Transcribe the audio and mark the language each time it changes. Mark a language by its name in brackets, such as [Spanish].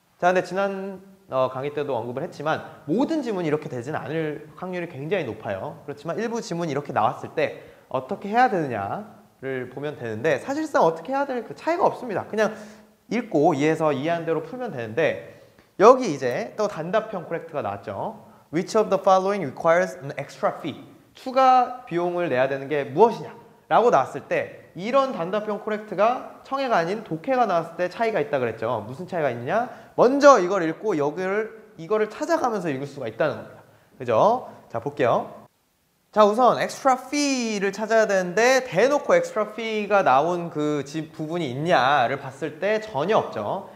[Korean] 자, 근데 지난 강의 때도 언급을 했지만 모든 지문이 이렇게 되진 않을 확률이 굉장히 높아요. 그렇지만 일부 지문이 이렇게 나왔을 때 어떻게 해야 되느냐 를 보면 되는데 사실상 어떻게 해야 될 그 차이가 없습니다. 그냥 읽고 이해해서 이해한 대로 풀면 되는데 여기 이제 또 단답형 correct가 나왔죠. [English] Which of the following requires an extra fee? [Korean] 추가 비용을 내야 되는 게 무엇이냐? 라고 나왔을 때 이런 단답형 correct가 청해가 아닌 독해가 나왔을 때 차이가 있다 그랬죠. 무슨 차이가 있냐? 먼저 이걸 읽고 이거를 찾아가면서 읽을 수가 있다는 겁니다. 그죠? 자, 볼게요. 자, 우선 extra fee를 찾아야 되는데 대놓고 extra fee가 나온 그 부분이 있냐를 봤을 때 전혀 없죠.